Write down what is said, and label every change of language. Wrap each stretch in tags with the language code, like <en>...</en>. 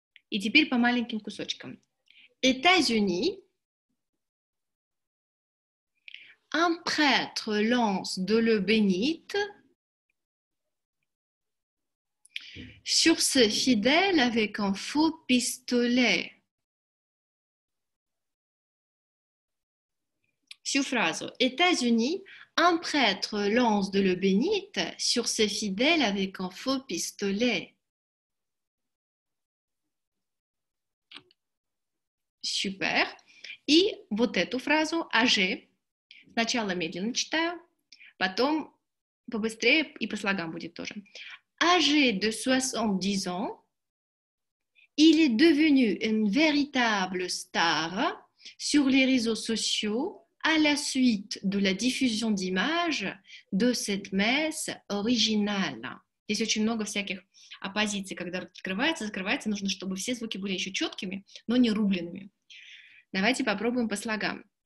<ru>И теперь по маленьким кусочкам.</ru> <fr>États-Unis. Un prêtre lance de l'eau bénite sur ce fidèle avec un faux pistolet. Sur phrase. États-Unis. Un prêtre lance de l'eau bénite sur ce fidèle avec un faux pistolet. Super.</fr> <ru>И вот эту фразу «Аже» сначала медленно читаю, потом побыстрее и по слогам будет тоже.</ru> <fr>«Аже de 70 ans, il est devenu une véritable star sur les réseaux sociaux à la suite de la diffusion d'images de cette messe originale».</fr> <ru>Здесь очень много всяких оппозиций, когда открывается, закрывается, нужно, чтобы все звуки были еще четкими, но не рубленными. Давайте попробуем по слогам.</ru>